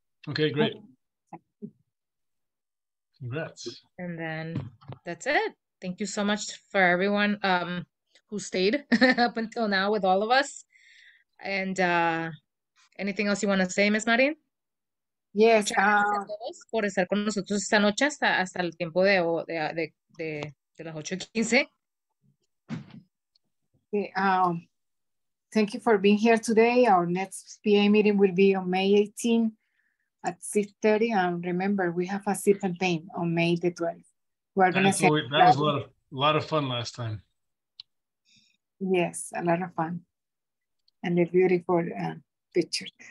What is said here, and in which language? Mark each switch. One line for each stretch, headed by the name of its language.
English: Okay, great. Congrats. And then that's it. Thank you so much for everyone who stayed up until now with all of us. And anything else you want to say, Ms. Marin? Yes.
Spanish: Por estar con nosotros esta noche hasta el tiempo de las 8:15.
English: Thank you for being here today. Our next PA meeting will be on May 18 at 6:30. And remember, we have a sip and pain on May the 12th. That was a lot of fun last time. Yes, a lot of fun. And a beautiful picture.